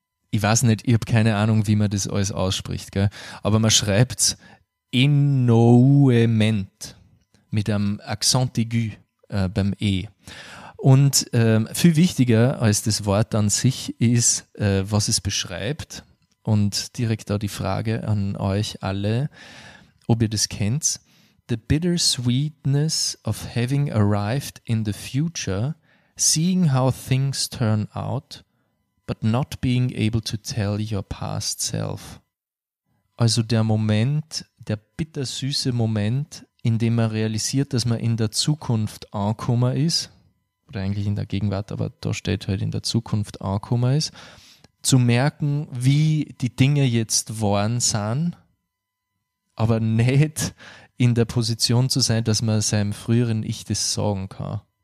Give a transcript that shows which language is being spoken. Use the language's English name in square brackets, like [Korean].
[German] Ich weiß nicht, ich habe keine Ahnung, wie man das alles ausspricht, gell? Aber man schreibt es Enouement mit einem Accent aigu beim E. Und viel wichtiger als das Wort an sich ist, was es beschreibt. Und direkt da die Frage an euch alle, ob ihr das kennt. [English] The bittersweetness of having arrived in the future, seeing how things turn out, but not being able to tell your past self. [German] Also der Moment, der bittersüße Moment, in dem man realisiert, dass man in der Zukunft angekommen ist, oder eigentlich in der Gegenwart, aber da steht halt in der Zukunft angekommen ist, zu merken, wie die Dinge jetzt waren, sind, aber nicht in der Position zu sein, dass man seinem früheren Ich das sagen kann.